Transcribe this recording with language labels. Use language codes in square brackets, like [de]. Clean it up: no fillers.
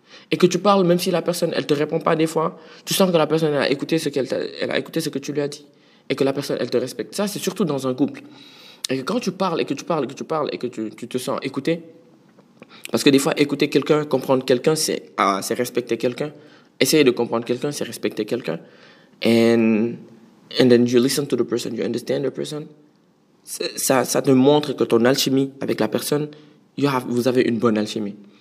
[fr] Et que tu parles, même si la personne, elle ne te répond pas des fois, tu sens que la personne elle a écouté ce qu'elle t'a, elle a écouté ce que tu lui as dit. Et que la personne, elle te respecte. Ça, c'est surtout dans un couple. Et que quand tu parles, et que tu parles, et que tu parles, et que tu te sens écouté, parce que des fois, écouter quelqu'un, comprendre quelqu'un, c'est respecter quelqu'un. Essayer de comprendre quelqu'un, c'est respecter quelqu'un. [en] And then you listen to the person, you understand the person. [fr] Ça te montre que ton alchimie avec la personne, vous avez une bonne alchimie.